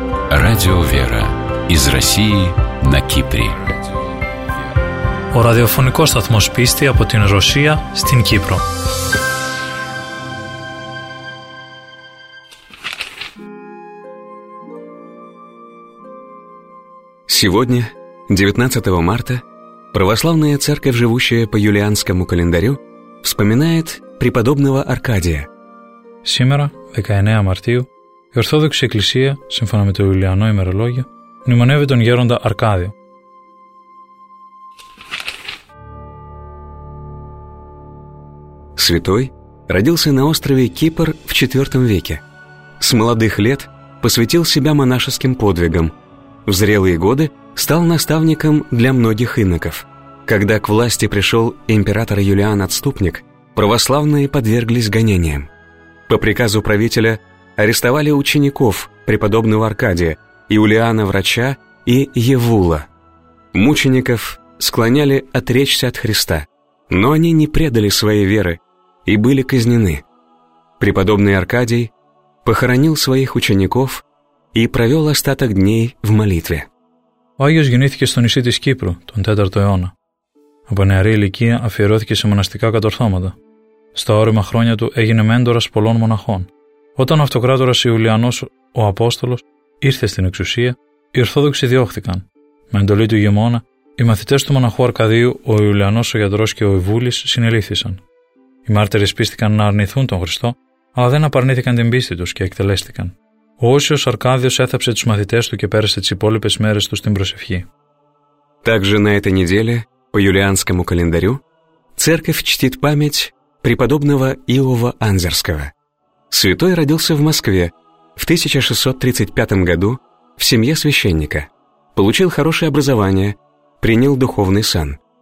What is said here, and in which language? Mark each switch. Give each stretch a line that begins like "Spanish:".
Russian: Радио «Вера» из России на Кипре.
Greek: Ο ραδιοφωνικός σταθμός πίστη από την Ρωσία στην Κύπρο.
Russian: Сегодня, 19 марта, православная церковь, живущая по юлианскому календарю, вспоминает преподобного Аркадия. Сегодня, 19 марта,
Greek: η Ορθόδοξη Εκκλησία, σύμφωνα με το Ιουλιανό ημερολόγιο, μνημονεύει τον Γέροντα Αρκάδιο.
Russian: Святой родился на острове Кипр в 4 веке. С молодых лет посвятил себя монашеским подвигам. В зрелые годы стал наставником для многих иноков. Когда к власти пришел император Юлиан Отступник, православные подверглись гонениям. По приказу правителя арестовали учеников преподобного Аркадия, Юлиана Врача и Евула. Мучеников склоняли отречься от Христа, но они не предали своей веры и были казнены. Преподобный Аркадий похоронил своих учеников и провел остаток дней в молитве.
Greek: Ο Άγιος γεννήθηκε στο νησί της Κύπρου τον 4ο αιώνα. Από νεαρή ηλικία αφιερώθηκε σε μοναστικά κατορθώματα. Στα όρημα χρόνια του έγινε μέντορας πολλών μοναχών. Όταν ο αυτοκράτορας Ιουλιανός ο Απόστολος ήρθε στην εξουσία, οι Ορθόδοξοι διώχθηκαν. Με εντολή του ηγεμόνα, οι μαθητές του μοναχού Αρκαδίου, ο Ιουλιανός ο Γιατρός και ο Ιβούλης συνελήφθησαν. Οι μάρτυρες πίστηκαν να αρνηθούν τον Χριστό, αλλά δεν απαρνήθηκαν την πίστη τους και εκτελέστηκαν. Ο Όσιος Αρκάδιος έθαψε τους μαθητές του και πέρασε τις υπόλοιπες μέρες του στην προσευχή.
Russian: Также на этой неделе, по юлианскому календарю, церковь чтит память преподобного Иова Анзерского. Святой родился в Москве в 1635 году в семье священника. Получил хорошее образование, принял духовный сан.